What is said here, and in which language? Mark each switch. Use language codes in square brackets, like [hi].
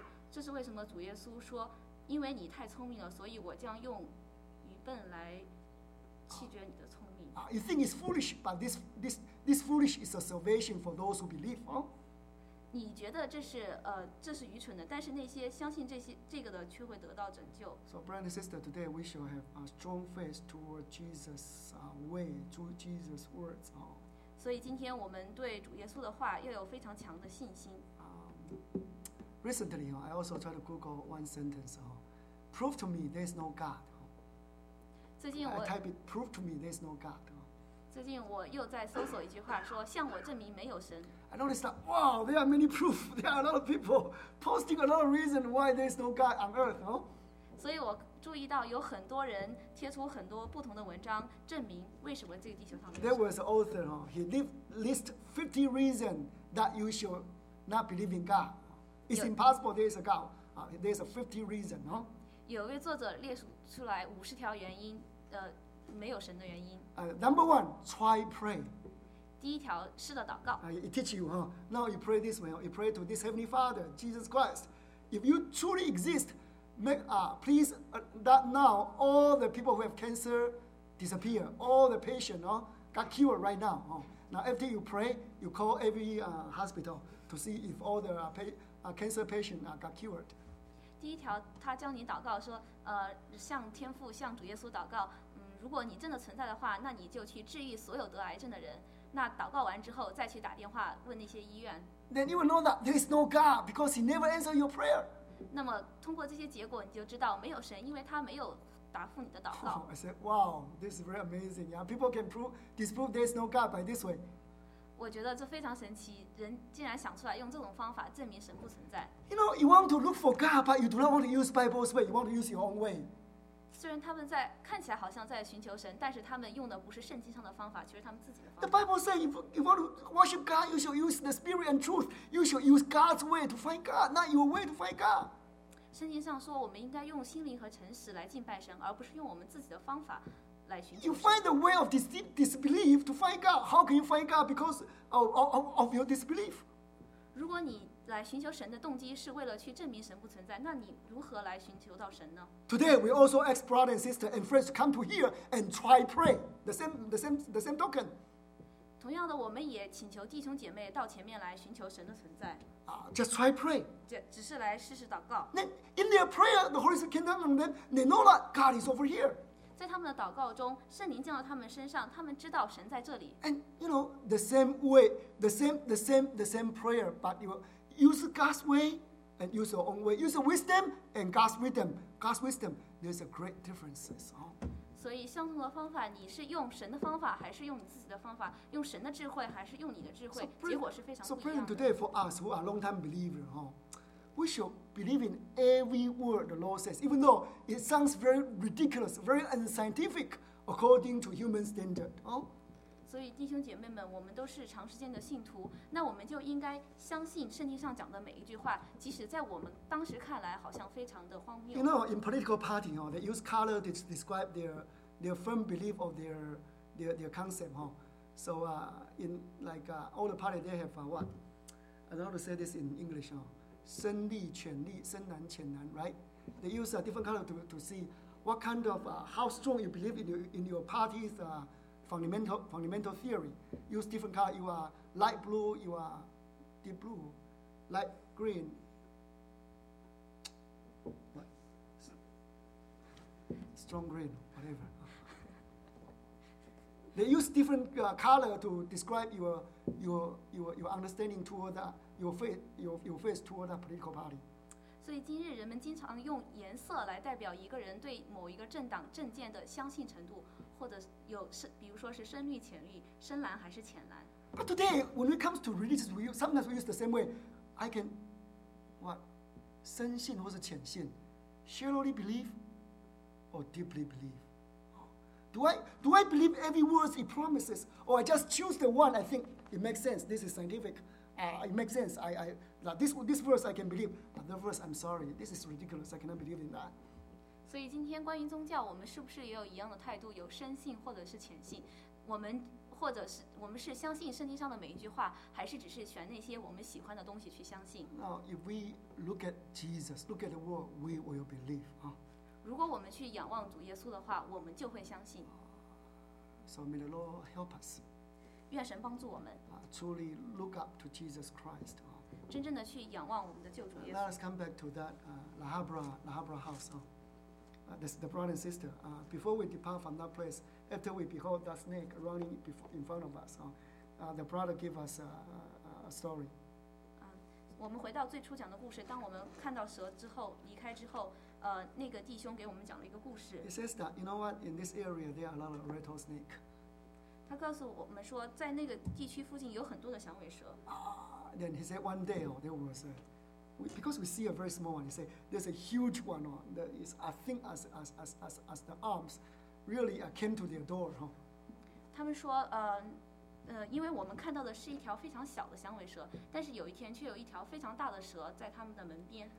[zh] 这是为什么主耶稣说，因为你太聪明了，所以我将用愚笨来弃绝你的聪明。 [en] You think it's foolish, but this foolish is a salvation for those who believe, huh? [zh] 你觉得这是愚蠢的，但是那些相信这个的却会得到拯救。 [en] So, brother and sister, today we shall have a strong faith toward Jesus' way, through Jesus' words. [zh] 所以今天我们对主耶稣的话要有非常强的信心。 [en] Recently, I also tried to Google one sentence. Prove to me there's no God. [zh] 最近我 [en] I type it, prove to me there's no God. [zh] 最近我又在搜索一句话，说向我证明没有神。 [en] I noticed that, wow, there are many proof. There are a lot of people posting a lot of reason why there's no God on earth, no? [zh] 所以我注意到有很多人贴出很多不同的文章，证明为什么这个地球上。 [en] There was an author, he list 50 reasons that you should not believe in God. It's impossible there is a God. There's a 50 reason, no? [zh] 有位作者列出来五十条原因，没有神的原因。 [en] Number one, try pray. [zh] 第一条是的祷告。 [en] It teach you, huh? Now you pray this way. You pray to this Heavenly Father, Jesus Christ. If you truly exist, please that now all the people who have cancer disappear. All the patients, got cured right now. Now after you pray, you call every hospital to see if all the cancer patients got cured. [zh] 第一条，他教你祷告说，向天父、向主耶稣祷告。如果你真的存在的话，那你就去治愈所有得癌症的人。那祷告完之后，再去打电话问那些医院。 [en] Then you will know that there is no God because He never answers your prayer. [zh] 那么通过这些结果，你就知道没有神，因为他没有答复你的祷告。 [en] I said, "Wow, this is very amazing. Yeah, people can disprove there is no God by this way." [zh] 我觉得这非常神奇，人竟然想出来用这种方法证明神不存在。 [en] You know, you want to look for God, but you do not want to use Bible's way. You want to use your own way. [zh] 虽然他们在看起来好像在寻求神，但是他们用的不是圣经上的方法，其实他们自己的方法。 [en] The Bible says, if you want to worship God, you shall use the Spirit and truth. You shall use God's way to find God, not your way to find God. [zh] 圣经上说，我们应该用心灵和诚实来敬拜神，而不是用我们自己的方法来寻求神。 [en] You find the way of disbelief to find God. How can you find God because of your disbelief? [zh] 如果你来寻求神的动机是为了去证明神不存在，那你如何来寻求到神呢 [en] ？Today we also ask brothers and sisters and friends to come to here and try pray the same token. [zh] 同样的，我们也请求弟兄姐妹到前面来寻求神的存在。 [en] Just try pray. [zh] 只是来试试祷告。 [en] Then in their prayer, the Holy Spirit came down on them. They know that God is over here. [zh] 在他们的祷告中，圣灵降到他们身上，他们知道神在这里。 [en] And you know the same way, the same prayer, but you. Use God's way and use your own way. Use wisdom and God's wisdom. God's wisdom. There's a great difference. [zh] So, 相同的方法，你是用神的方法，还是用你自己的方法？用神的智慧，还是用你的智慧？结果是非常不一样的。 [en] So, today for us who are long-time believers, we should believe in every word the Lord says, even though it sounds very ridiculous, very unscientific according to human standard. [zh] 所以弟兄姐妹们，我们都是长时间的信徒，那我们就应该相信圣经上讲的每一句话，即使在我们当时看来好像非常的荒谬。 [en] You know, in political party, they use color to describe their firm belief of their concept. So, in like all the party, they have what? I don't know how to say this in English. [zh] 深绿、浅绿、深蓝、浅蓝 right? [en] They use a different color to see what kind of how strong you believe in your party's. Fundamental theory. Use different color. You are light blue. You are deep blue. Light green. What? Strong green. Whatever. They use different color to describe your understanding toward that your face toward that political party. [zh] 所以今日人们经常用颜色来代表一个人对某一个政党政见的相信程度。或者有比如说是深绿、浅绿、深蓝还是浅蓝。 [en] But today, when it comes to religious, sometimes we use the same way. I can, what, [zh] 深信或是浅信 ？ [en] Shallowly believe or deeply believe？ Do I believe every word he promises, or I just choose the one I think it makes sense? This is scientific. It makes sense. This verse I can believe. Another verse, I'm sorry, this is ridiculous. I cannot believe in that. [zh] 所以今天关于宗教，我们是不是也有一样的态度？有深信或者是浅信？我们是相信圣经上的每一句话，还是只是选那些我们喜欢的东西去相信 [en] ？Now, if we look at Jesus, look at the word, we will believe. [zh] 如果我们去仰望主耶稣的话，我们就会相信。 [en] So may the Lord help us. [zh] 愿神帮助我们。 [en] Truly look up to Jesus Christ. [zh] 真正的去仰望我们的救主耶稣。 [en] Let us come back to that La Habra house. The brother and sister. Before we depart from that place. After we behold that snake running in front of us, the brother gave us a story. [zh] 我们回到最初讲的故事。当我们看到蛇之后，离开之后，那个弟兄给我们讲了一个故事。 [en] He says that you know what? In this area, there are a lot of rattlesnake. [zh] 他告诉我们说，在那个地区附近有很多的响尾蛇。 [en] Then he said one day, because we see a very small one, he said there's a huge one that is, I think, as the arms. Really, I came to their door, huh? [zh] 他们说，因为我们看到的是一条非常小的响尾蛇，但是有一天却有一条非常大的蛇在他们的门边。